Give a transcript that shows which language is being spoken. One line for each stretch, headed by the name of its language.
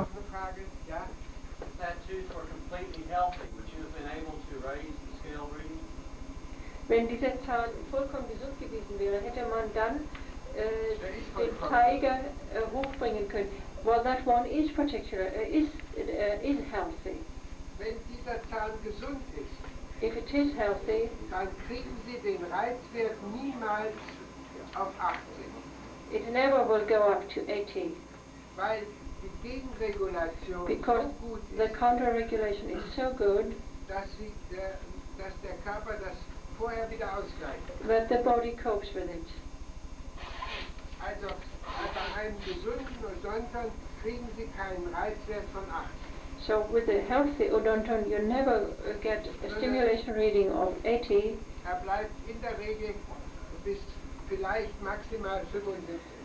English: progress got that tooth were completely healthy, would you have been able to raise the scale reading?
German: Wenn diese Zahn vollkommen gesund gewesen wäre, hätte man dann den Zeiger hochbringen können.
English: Well, that one is particular, is healthy.
German: Wenn dieser Zahn gesund ist,
English: if it is healthy,
German: dann kriegen Sie den Reizwert niemals auf 80.
English: It never will go up to 80.
German: Weil die Gegenregulation
English: because
German: so gut
English: the counter-regulation is so good,
German: dass der Körper das vorher wieder ausgleicht.
English: That the body copes with it.
German: Also, bei einem gesunden Odonton kriegen Sie keinen Reizwert von 80.
English: So with a healthy odonton, you never get a stimulation reading of 80.
German: Er bleibt in der Regel bis vielleicht maximal 75.